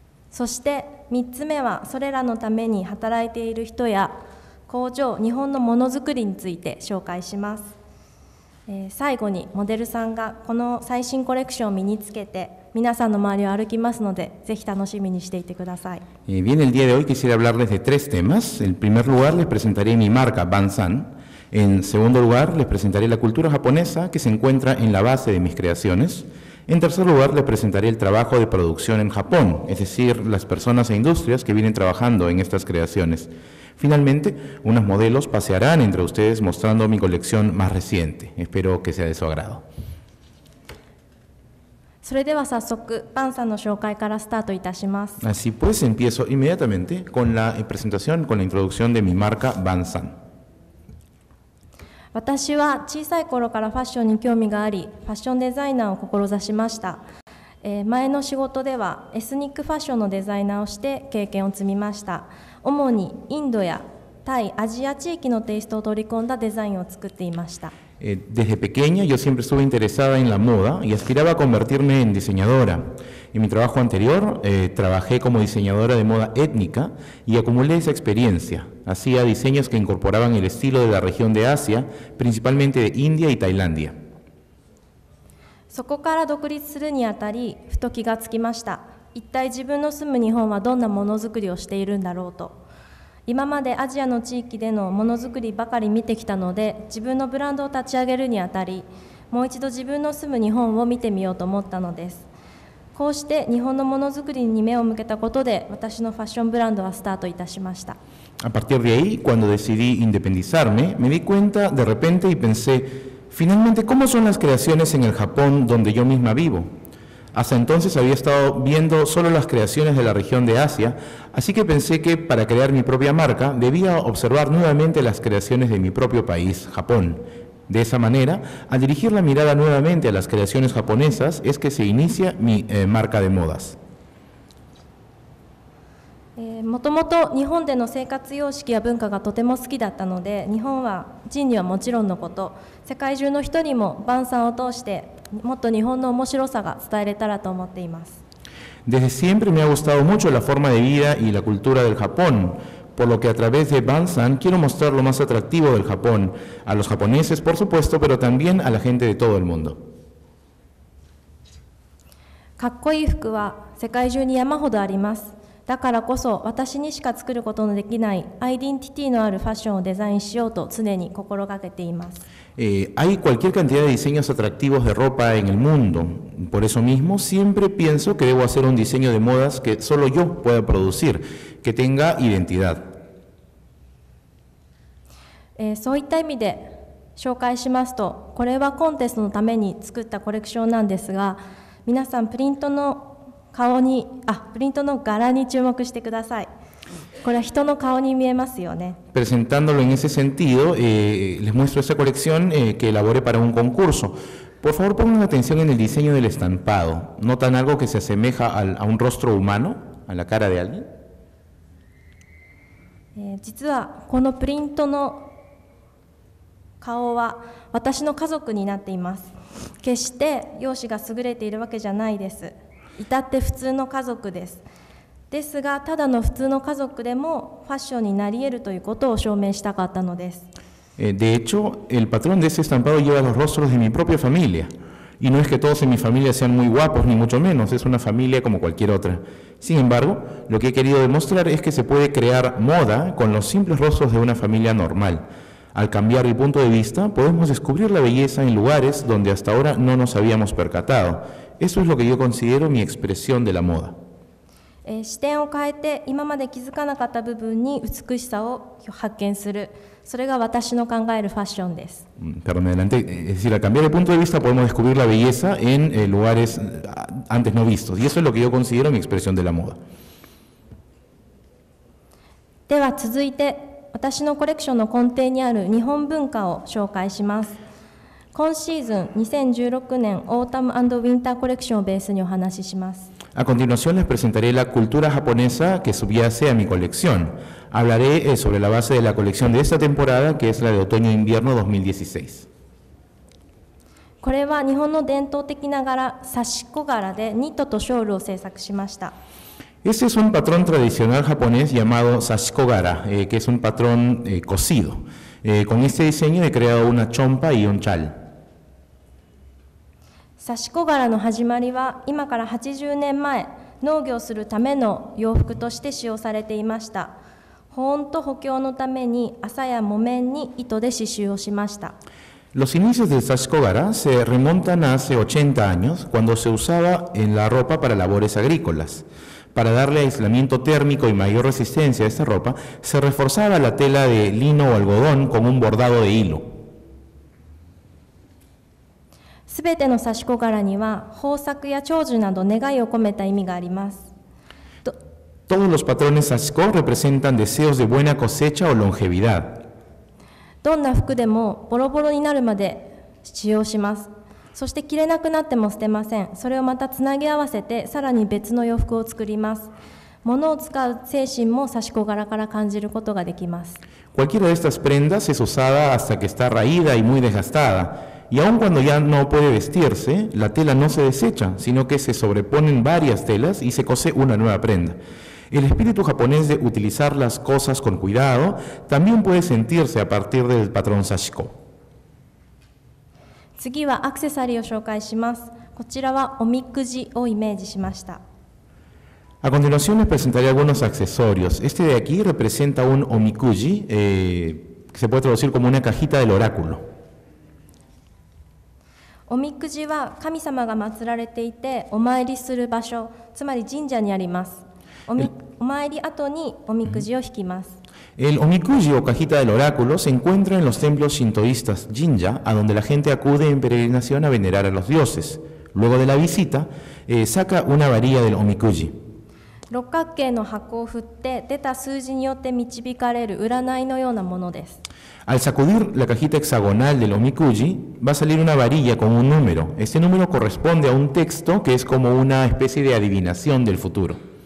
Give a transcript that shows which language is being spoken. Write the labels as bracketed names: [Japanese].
[Japanese] そして3つ目はそれらのために働いている人や工場、日本のものづくりについて紹介します。最後にモデルさんがこの最新コレクションを身につけて皆さんの周りを歩きますので、ぜひ楽しみにしていてください。 [Spanish] Bien, el día de hoy quisiera hablarles de tres temas. En primer lugar, les presentaré mi marca, Bansan. En segundo lugar, les presentaré la cultura japonesa que se encuentra en la base de mis creaciones. En tercer lugar, les presentaré el trabajo de producción en Japón, es decir, las personas e industrias que vienen trabajando en estas creaciones. Finalmente, unos modelos pasearán entre ustedes mostrando mi colección más reciente. Espero que sea de su agrado. [Japanese] それでは早速、バンさんの紹介からスタートいたします。 [Spanish] Así pues, empiezo inmediatamente con la presentación, con la introducción de mi marca, Bansan. [Japanese] 私は小さい頃からファッションに興味があり、ファッションデザイナーを志しました。前の仕事ではエスニックファッションのデザイナーをして経験を積みました。主にインドやタイ、アジア地域のテイストを取り込んだデザインを作っていました。 [Spanish] Desde pequeña yo siempre estuve interesada en la moda y aspiraba a convertirme en diseñadora. En mi trabajo anterior trabajé como diseñadora de moda étnica y acumulé esa experiencia. Hacía diseños que incorporaban el estilo de la región de Asia, principalmente de India y Tailandia. [Japanese] そこから独立するにあたり、ふと気がつきました。一体自分の住む日本はどんなものづくりをしているんだろうと。今までアジアの地域でのものづくりばかり見てきたので、自分のブランドを立ち上げるにあたり、もう一度自分の住む日本を見てみようと思ったのです。こうして日本のものづくりに目を向けたことで、私のファッションブランドはスタートいたしました。 [Spanish] A partir de ahí, cuando decidí independizarme, me di cuenta de repente y pensé, finalmente, ¿cómo son las creaciones en el Japón donde yo misma vivo? Hasta entonces había estado viendo solo las creaciones de la región de Asia, así que pensé que para crear mi propia marca debía observar nuevamente las creaciones de mi propio país, Japón. De esa manera, al dirigir la mirada nuevamente a las creaciones japonesas, es que se inicia mi marca de modas. [Japanese] もともと日本での生活様式や文化がとても好きだったので、日本は人にはもちろんのこと、世界中の人にもバンさんを通して、もっと日本の面白さが伝えれたらと思っています。 [Spanish] Desde siempre me ha gustado mucho la forma de vida y la cultura del Japón, por lo que a través de Bansan quiero mostrar lo más atractivo del Japón a los japoneses, por supuesto, pero también a la gente de todo el mundo. [Japanese] かっこいい服は世界中に山ほどあります。だからこそ私にしか作ることのできないアイデンティティのあるファッションをデザインしようと常に心がけています。 [Spanish] Hay cualquier cantidad de diseños atractivos de ropa en el mundo. Por eso mismo, siempre pienso que debo hacer un diseño de modas que solo yo pueda producir, que tenga identidad. [Japanese] そういった意味で紹介しますと、これはコンテストのために作ったコレクションなんですが、皆さんプリントの顔に、プリントの柄に注目してください。これは人の顔に見えますよね。 [Spanish] Presentándolo en ese sentido, les muestro esa colección que elaboré para un concurso. Por favor, pongan atención en el diseño del estampado. ¿Notan algo que se asemeja a un rostro humano, a la cara de alguien? [Japanese] 実はこのプリントの顔は私の家族になっています。決して容姿が優れているわけじゃないです。至って普通の家族です。ですがただの普通の家族でもファッションになり得るということを証明したかったのです。 [Spanish] De hecho, el patrón de ese estampado lleva los rostros de mi propia familia. Y no es que todos en mi familia sean muy guapos, ni mucho menos. Es una familia como cualquier otra. Sin embargo, lo que he querido demostrar es que se puede crear moda con los simples rostros de una familia normal. Al cambiar el punto de vista, podemos descubrir la belleza en lugares donde hasta ahora no nos habíamos percatado. Eso es lo que yo considero mi expresión de la moda. [Japanese] 視点を変えて今まで気づかなかった部分に美しさを発見する、それが私の考えるファッションです。 [Spanish] Perdón, adelante. Es decir, al cambiar el punto de vista podemos descubrir la belleza en lugares antes no vistos. Y eso es lo que yo considero mi expresión de la moda. [Japanese] では続いて私のコレクションの根底にある日本文化を紹介します。今シーズン2016年オータム&ウィンターコレクションをベースにお話しします。 [Spanish] A continuación les presentaré la cultura japonesa que subyace a mi colección. Hablaré sobre la base de la colección de esta temporada, que es la de otoño-invierno 2016. [Japanese] これは日本の伝統的な柄、刺し子柄でニットとショールを制作しました。 [Spanish] Este es un patrón tradicional japonés llamado sashikogara, que es un patrón cosido. Con este diseño he creado una chompa y un chal. [Japanese] 刺し子柄の始まりは今から80年前、農業するための洋服として使用されていました。保温と補強のために麻や木綿に糸で刺繍をしました。 [Spanish] Los inicios del刺し子柄se remontan a hace 80 años, cuando se usaba en la ropa para labores agrícolas. Para darle aislamiento térmico y mayor resistencia a esta ropa, se reforzaba la tela de lino o algodón con un bordado de hilo. [Japanese] すべての刺し子柄には豊作や長寿など願いを込めた意味があります。 [Spanish] Todos los patrones 刺し子 representan deseos de buena cosecha o longevidad。 [Japanese] どんな服でもボロボロになるまで使用します。そして着れなくなっても捨てません。それをまたつなぎ合わせてさらに別の洋服を作ります。物を使う精神も刺し子柄から感じることができます。 [Spanish] Cualquiera de estas prendas es usada hasta que está raída y muy desgastada. Y aun cuando ya no puede vestirse, la tela no se desecha, sino que se sobreponen varias telas y se cose una nueva prenda. El espíritu japonés de utilizar las cosas con cuidado también puede sentirse a partir del patrón sashiko. [Japanese] 次はアクセサリーを紹介します。こちらはおみくじをイメージしました。 [Spanish] A continuación les presentaré algunos accesorios. Este de aquí representa un omikuji, que se puede traducir como una cajita del oráculo. [Japanese] おみくじは神様が祀られていてお参りする場所、つまり神社にあります。お参り後におみくじを引きます。 [Spanish] El omikuji o cajita del oráculo se encuentra en los templos shintoístas, jinja, a donde la gente acude en peregrinación a venerar a los dioses. Luego de la visita, saca una varilla del omikuji. [Japanese] 六角形の箱を振って出た数字によって導かれる占いのようなものです。 [Spanish] Al sacudir la cajita hexagonal del omikuji, va a salir una varilla con un número. Este número corresponde a un texto que es como una especie de adivinación del futuro.